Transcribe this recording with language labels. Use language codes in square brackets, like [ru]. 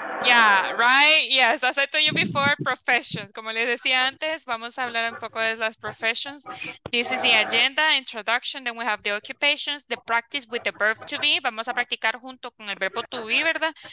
[en] Yeah, right, yes, as I told you before, professions. [es] Como les decía antes, vamos a hablar un poco de las professions. [en] This is the agenda, introduction, then we have the occupations, the practice with the verb to be. [es] Vamos a practicar junto con el verbo to be, ¿verdad?